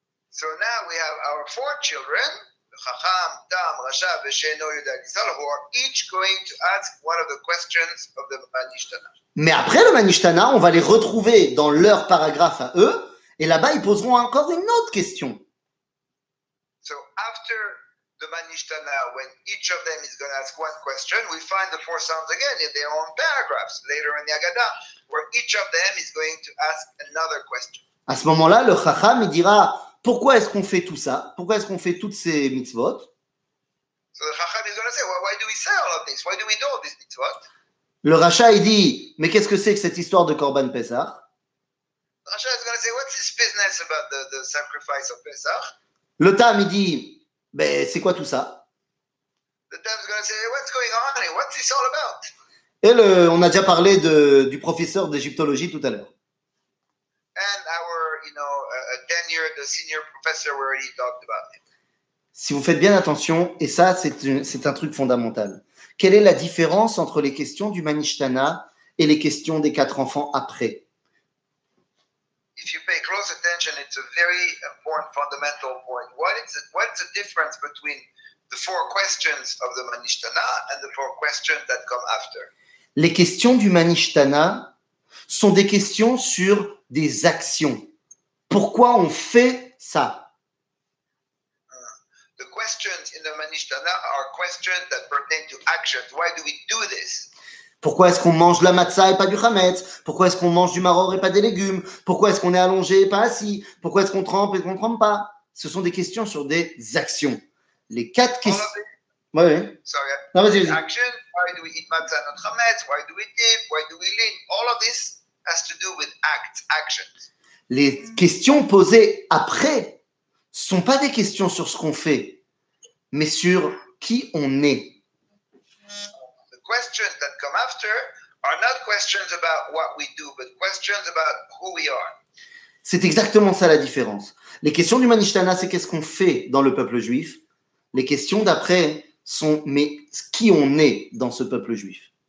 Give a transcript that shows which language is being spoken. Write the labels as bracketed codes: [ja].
[en] So now we have our four children, Chacham, Tam, Racha, Sheino et Alishol, who are each going to ask one of the questions of the Manishtana. [fr] Mais après le Manishtana, on va les retrouver dans leur paragraphe à eux, et là-bas, ils poseront encore une autre question. [en] So after the Manishtana, when each of them is going to ask one question, we find the four sons again in their own paragraphs later in the Haggadah, where each of them is going to ask another question. [fr] À ce moment-là, le Chacham il dira, pourquoi est-ce qu'on fait tout ça? Pourquoi est-ce qu'on fait toutes ces mitzvot? [en] So the Chacham is going to say, well, why do we say all of this? Why do we do all these mitzvot? [fr] Le Racha il dit, mais qu'est-ce que c'est que cette histoire de Korban Pesach? [en] The Racha is going to say, what's this business about the sacrifice of Pesach? [fr] Le Tam, il dit, ben, c'est quoi tout ça? [en] The Tam is going to say, what's going on? And what's this all about? [fr] Et le, on a déjà parlé du professeur d'égyptologie tout à l'heure. [en] And our, you know, tenured senior professor, we already talked about it. [fr] Si vous faites bien attention, et ça, c'est un truc fondamental. Quelle est la différence entre les questions du Manishtana et les questions des quatre enfants après? [en] If you pay close attention, it's a very important fundamental point. What's the difference between the four questions of the Manishtana and the four questions that come after? [fr] Les questions du Manishtana sont des questions sur des actions. Pourquoi on fait ça? [en] The questions in the Manishtana are questions that pertain to actions. Why do we do this? [fr] Pourquoi est-ce qu'on mange la matzah et pas du chametz? Pourquoi est-ce qu'on mange du maror et pas des légumes? Pourquoi est-ce qu'on est allongé et pas assis? Pourquoi est-ce qu'on trempe et qu'on ne trempe pas? Ce sont des questions sur des actions. Les quatre questions. Oui. [en] Sorry. [fr] Non, vas-y, vas-y. [en] Action. Why do we eat matzah not chametz? Why do we dip? Why do we lean? All of this has to do with acts, actions. [fr] Les questions posées après sont pas des questions sur ce qu'on fait, mais sur qui on est. [en] Questions that come after are not questions about what we do, but questions about who we are. [fr] C'est exactement ça la différence. Les questions du Manishtana, c'est qu'est-ce qu'on fait dans le peuple juif. Les questions d'après sont mais qui on est dans ce peuple juif.